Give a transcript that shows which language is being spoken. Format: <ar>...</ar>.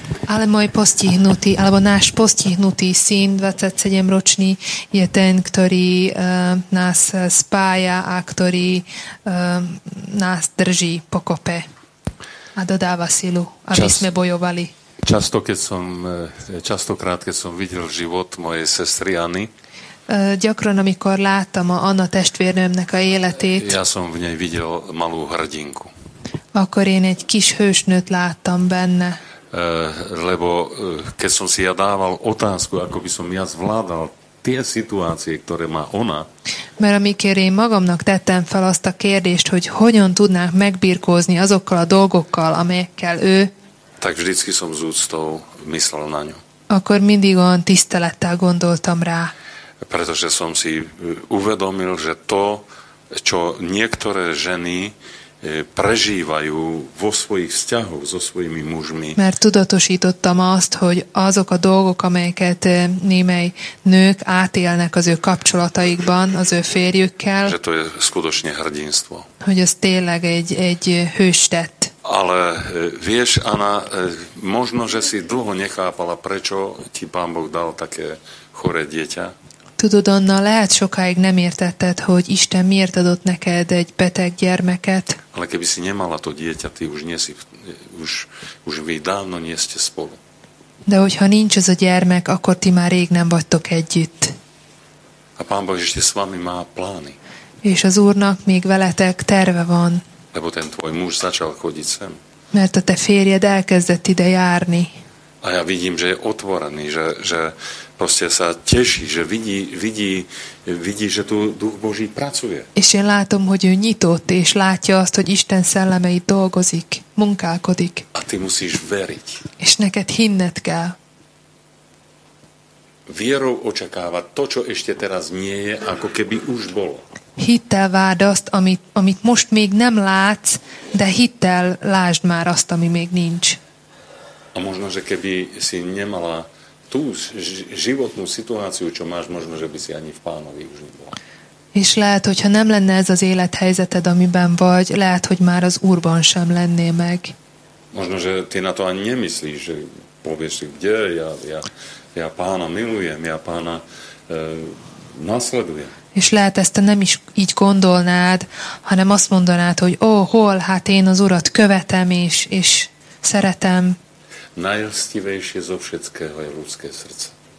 <sk>Ale môj postihnutý, alebo náš postihnutý syn, 27-ročný, je ten, ktorý nás spája a ktorý nás drží pokope a dodáva silu, aby sme bojovali. Častokrát, keď som videl život mojej sestry Anny,</sk> <hu>gyakran, amikor láttam a Anna testvérnőmnek a életét,</hu> <sk>ja som v nej videl malú hrdinku.</sk> <hu>Akkor én egy kis hősnőt láttam benne.</hu> <sk>Lebo keď som si ja dával otázku, ako by som ja zvládal tie situácie, ktoré má ona.</sk> <hu>Mert amikor én magamnak tettem fel azt a kérdést, hogy hogyan tudnánk megbirkózni azokkal a dolgokkal, amelyekkel ő.</hu> <sk>Tak vždycky som z úctou myslel na ňu.</sk> <hu>Akkor mindig olyan tisztelettel gondoltam rá.</hu> <sk>Pretože som si uvedomil, že to, čo niektoré ženy prežívajú vo svojich vzťahoch so svojimi mužmi.</sk> <hu>Mert tudatosítottam azt, hogy azok a dolgok, amelyeket némely nők átélnek az ő kapcsolataikban, az ő férjükkel.</hu> <sk>Že to je skutočne hrdinstvo.</sk> <hu>Hogy ez tényleg egy hőstett.</hu> <sk>Ale vieš, Anna, možno, že si dlho nechápala, prečo ti Pán Boh dal také choré dieťa.</sk> <hu>Tudod, Anna, lehet sokáig nem értetted, hogy Isten miért adott neked egy beteg gyermeket.</hu> <sk>Ale keby si nemala to dieťa, ty už nie si, už vy dávno nie ste spolu.</sk> <hu>De hogyha nincs az a gyermek, akkor ti már rég nem vagytok együtt.</hu> <sk>A Pán Boh ešte s vami má plány.</sk> <hu>És az Úrnak még veletek terve van.</hu> <sk>Lebo ten tvoj muž začal chodiť sem.</sk> <hu>Mert a te férjed elkezdett ide járni.</hu> <sk>A ja vidím, že je otvorený, že proste sa teší, že vidí, že tu Duch Boží pracuje.</sk> <hu>És én látom, hogy ő nyitott, és látja azt, hogy Isten szellemei dolgozik, munkálkodik.</hu> <sk>A ty musíš veriť.</sk> <hu>És neked hinned kell.</hu> <sk>Vierou očakávať to, čo ešte teraz nie je, ako keby už bolo.</sk> <hu>Hittel várd azt, amit most még nem látsz, de hittel lásd már azt, ami még nincs.</hu> <sk>A možno, že keby si nemala tú životnú situáciu, čo máš, možno, že by si ani v Pánovi už nebola.</sk> <hu>És lehet, hogyha nem lenne ez az élethelyzeted, amiben vagy, lehet, hogy már az Úrban sem lenné meg.</hu> <sk>Možno, že ty na to ani nemyslíš, že povieš si, kde ja Pána milujem, ja Pána nasledujem.</sk> <hu>És lehet, ezt nem is így gondolnád, hanem azt mondanád, hogy ó, hol, hát én az Urat követem, és szeretem.</hu> <sk>Najlstivejšie zo všetkého je ľudské srdce.</sk>